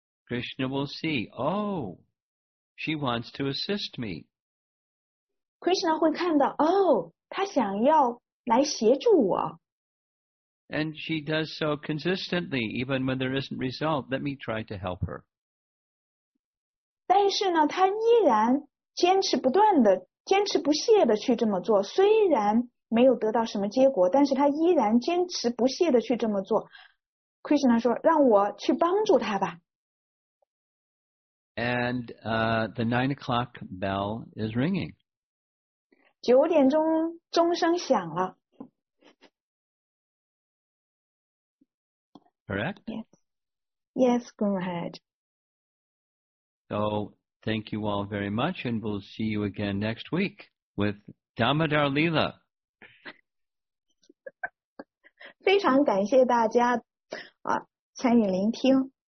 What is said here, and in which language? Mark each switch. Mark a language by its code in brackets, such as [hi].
[en] Krishna will see, oh, she wants to assist me. [zh] Krishna 会看到，哦，她想要来协助我。 [en] And she does so consistently, even when there isn't result. Let me try to help her. [zh] 但是呢，她依然坚持不断的、坚持不懈的去这么做。虽然没有得到什么结果，但是她依然坚持不懈的去这么做。 Krishna 说，让我去帮助她吧。 [en] And the 9 o'clock bell is ringing. [zh] 九点钟钟声响了。 [en] Correct? Yes, go ahead. So, thank you all very much, and we'll see you again next week with Damodar Leela. [zh] 非常感谢大家、参与聆听。